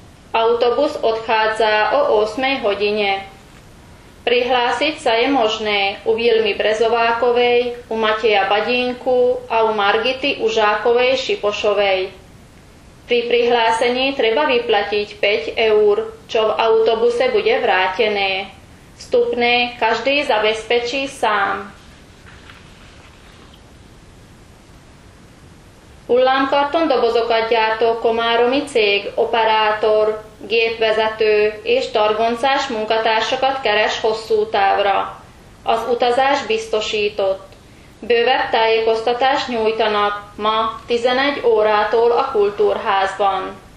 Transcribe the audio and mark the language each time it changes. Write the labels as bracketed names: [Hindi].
[Slovak] Autobus odchádza o 8. hodine. Prihlásiť sa je možné u Vilmy Brezovákovej, u Mateja Badínku a u Margity Užákovej Šipošovej. Pri prihlásení treba vyplatiť 5 eur, čo v autobuse bude vrátené. Vstupné každý zabezpečí sám. [Hungarian] Hullámkarton dobozokatgyártó komáromi cég, operátor, gépvezető és targoncás munkatársakat keres hosszú távra. Az utazás biztosított. Bővebb tájékoztatást nyújtanak ma 11 órától a kultúrházban.